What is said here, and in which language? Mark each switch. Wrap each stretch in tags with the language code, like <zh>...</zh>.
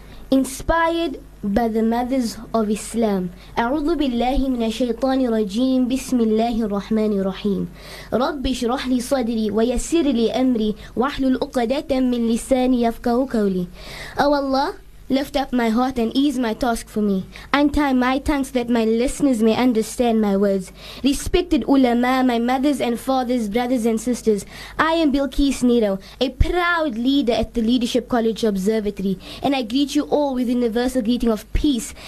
<en>Inspired by the mothers of Islam.</en> <ar>أعوذ بالله من الشيطان الرجيم بسم الله الرحمن الرحيم رب اشرح لي صدري ويسر لي أمري واحلل عقدة من لساني يفقهوا قولي.</ar> <en>Oh Allah, lift up my heart and ease my task for me. Untie my tongue so that my listeners may understand my words. Respected ulama, my mothers and fathers, brothers and sisters, I am Bilkis Nero, a proud leader at the Leadership College Observatory, and I greet you all with a universal greeting of peace.</en>